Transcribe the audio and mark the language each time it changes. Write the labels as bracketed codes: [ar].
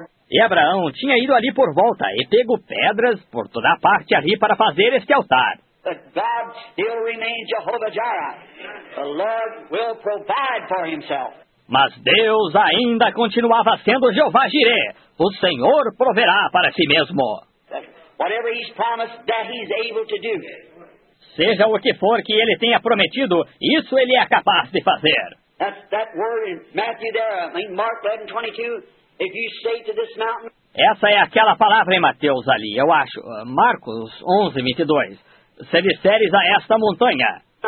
[pt] E Abraão tinha ido ali por volta e pego pedras por toda a parte ali para fazer este altar. [en] But God still remains Jehovah Jireh. The Lord will provide for himself. [pt] Mas Deus ainda continuava sendo Jeová Jiré. O Senhor proverá para si mesmo. [en] Whatever he's promised, that he's able to do. [pt] Seja o que for que ele tenha prometido, isso ele é capaz de fazer. [en] That word in Matthew there, I mean Mark 11:22, if you say to this mountain. [pt] Essa é aquela palavra em Mateus ali, eu acho, Marcos 11:22. Se disseres a esta montanha.